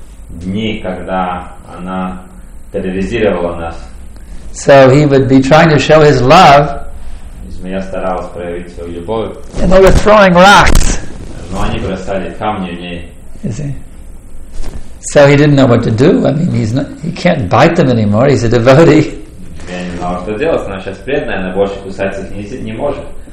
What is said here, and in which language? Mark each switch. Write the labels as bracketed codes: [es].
[ru] Дни, когда она терроризировала нас. [en] So he would be trying to show his love. [ru] Змея старалась проявить свою любовь. [en] And they were throwing rocks. [ru] Но они бросали камни в ней. [en] You see? So he didn't know what to do. I mean, he can't bite them anymore. He's a devotee. [ru] Змея не знала, что делать. Она сейчас преданная, она больше кусать их не может.